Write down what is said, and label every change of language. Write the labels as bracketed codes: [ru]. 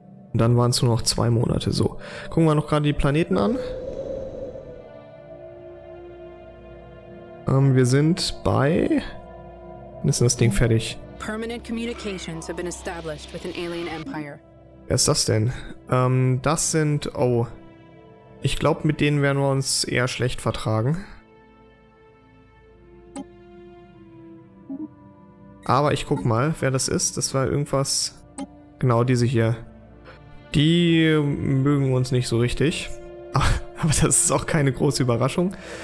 [de] Und dann waren es nur noch 2 Monate. So, gucken wir noch gerade die Planeten an. Wir sind bei... Dann ist das Ding fertig. [en] Permanent communications have been established with an alien empire. [de] Wer ist das denn? Das sind... Oh. Ich glaube, mit denen werden wir uns eher schlecht vertragen. Aber ich guck mal, wer das ist. Das war irgendwas... Genau, diese hier. Die mögen uns nicht so richtig. Aber das ist auch keine große Überraschung.